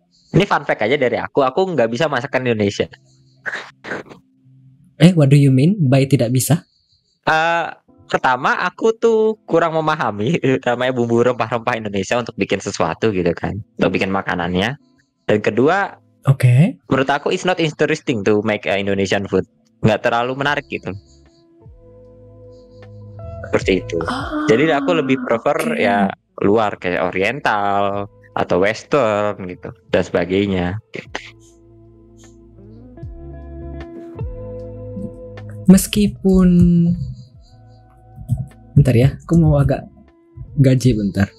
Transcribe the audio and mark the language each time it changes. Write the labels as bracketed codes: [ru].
[id] Ini fun fact aja dari aku enggak bisa masakan Indonesia. [en] What do you mean by [id] tidak bisa? Pertama aku tuh kurang memahami namanya bumbu rempah-rempah Indonesia untuk bikin sesuatu gitu kan, untuk bikin makanannya. Dan kedua, okay, menurut aku [en] it's not interesting to make Indonesian food. [id] Enggak terlalu menarik gitu. Seperti itu. Jadi aku lebih prefer ya luar, kayak Oriental atau Western gitu dan sebagainya. Meskipun bentar ya, aku mau agak gaji bentar.